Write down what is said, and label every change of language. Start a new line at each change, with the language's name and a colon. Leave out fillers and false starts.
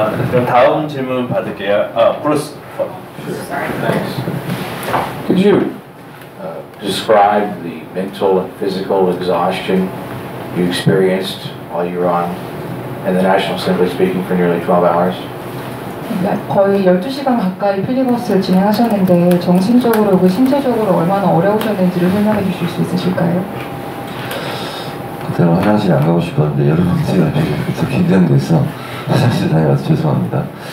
Korean: 그럼 다음 질문 받을게요.
English: Bruce. Thanks. Could you describe the mental and physical exhaustion you experienced while you were on in the National Assembly speaking for nearly 12 hours?
Korean: 거의 12시간 가까이 필리버스를 진행하셨는데 정신적으로 그 신체적으로 얼마나 어려우셨는지를 설명해 주실 수 있으실까요? 그때는 화장실 안 가고 싶었는데 여러분들이 계속 긴장돼서 화장실 다녀와서 죄송합니다.